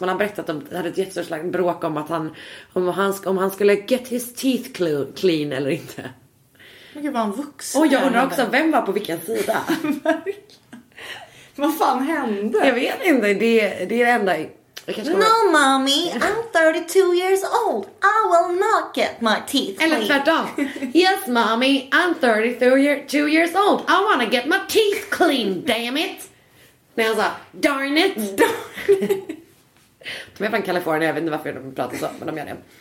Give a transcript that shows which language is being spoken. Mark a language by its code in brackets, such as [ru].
[sv] Man har berättat att de hade ett jättestort slags bråk om att han, om han skulle [en] get his teeth clean [sv] eller inte. Men gud, var han vuxen? Och jag undrar också, vem var på vilken sida? Vad fan hände? Jag vet inte, det är det enda. [en] No mommy, I'm 32 years old. I will not get my teeth clean. [sv] Eller tvärtom. [en] Yes mommy, I'm 32 years old. I wanna get my teeth clean, damn it. [sv] Nej, alltså, [en] darn it. [sv] De är från Kalifornien, jag vet inte varför de pratar så, men de gör det.